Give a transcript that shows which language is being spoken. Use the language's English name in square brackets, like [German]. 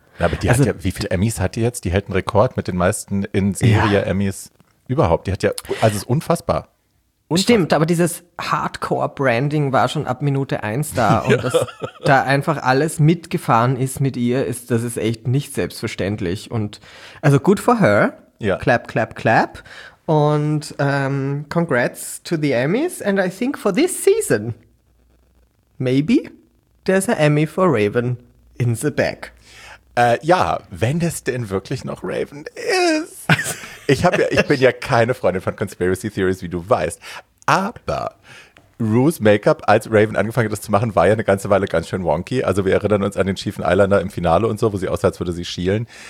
[German] Ja, aber die also, hat ja, wie viele Emmys hat die jetzt? Die hält einen Rekord mit den meisten in Serie-Emmys überhaupt. Die hat ja, also es ist unfassbar. Stimmt, aber dieses Hardcore-Branding war schon ab Minute 1 da und dass da einfach alles mitgefahren ist mit ihr, das ist echt nicht selbstverständlich. Und also [English] good for her, [German] ja. [English] Clap, clap, clap [German] und [English] congrats to the Emmys and I think for this season, maybe there's an Emmy for Raven in the bag. [German] Ja, wenn es denn wirklich noch Raven ist. Ich bin ja keine Freundin von Conspiracy Theories, wie du weißt. Aber Ru's Make-up, als Raven angefangen hat, das zu machen, war ja eine ganze Weile ganz schön wonky. Also wir erinnern uns an den schiefen Eyeliner im Finale und so, wo sie aussah, als würde sie schielen.